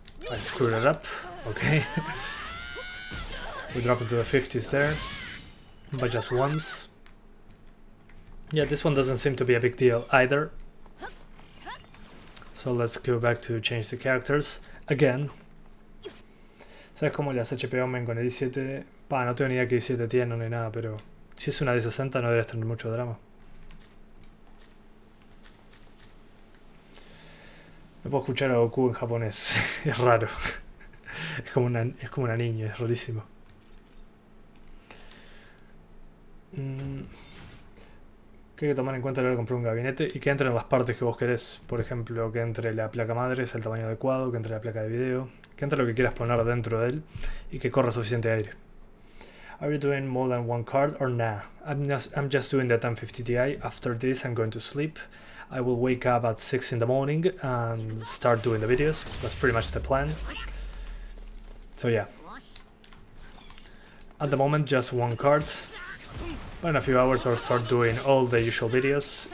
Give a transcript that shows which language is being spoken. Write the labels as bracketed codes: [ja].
[en] I screwed it up. Okay, we drop into the 50s there, but just once. Yeah, this one doesn't seem to be a big deal either. So let's go back to change the characters again. [es] ¿Sabes cómo le hace HP Omen con el i7? Pa, no tengo ni idea que i7 tiene ni nada, pero si es una de 60 no deberías tener mucho drama. No puedo escuchar a Goku en japonés, es raro. Es como una niña, es rarísimo. Que hay que tomar en cuenta a la hora de comprar un gabinete y que entre en las partes que vos querés. Por ejemplo, que entre la placa madre, sea el tamaño adecuado, que entre la placa de video, que entre lo que quieras poner dentro de él y que corra suficiente aire. [en] Are you doing more than one card or nah? I'm just doing the 1050 Ti. After this I'm going to sleep. I will wake up at 6 in the morning and start doing the videos. That's pretty much the plan. So yeah. At the moment, just one card. But in a few hours, I'll start doing all the usual videos.